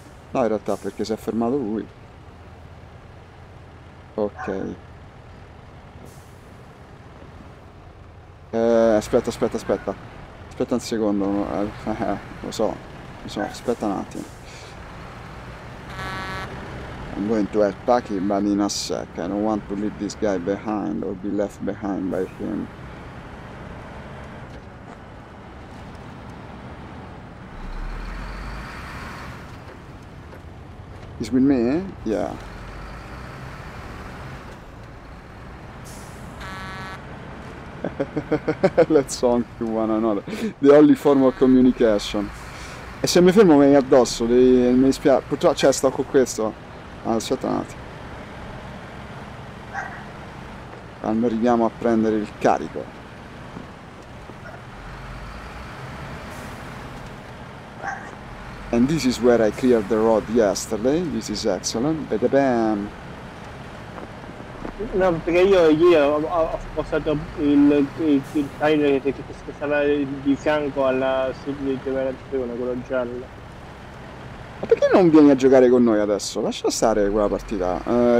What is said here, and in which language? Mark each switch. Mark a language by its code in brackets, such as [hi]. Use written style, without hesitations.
[it] No, in realtà, perché si è fermato lui. Ok. Aspetta un secondo, lo so, insomma, aspetta un attimo. [en] I'm going to help Paki, but in a sec. I don't want to leave this guy behind or be left behind by him. He's with me? Yeah. Let's honk to one another. The only form of communication. [it] E se mi fermo mi addosso, mi dispiace. Purtroppo, cioè, sto con questo. Aspetta un attimo. Quando arriviamo a prendere il carico. [en] And this is where I cleared the road yesterday. This is excellent. Bada bam. [it] No, perché io ho spostato il trailer che stava di fianco alla sub-generazione, quello giallo. Ma perché non vieni a giocare con noi adesso? Lascia stare quella partita.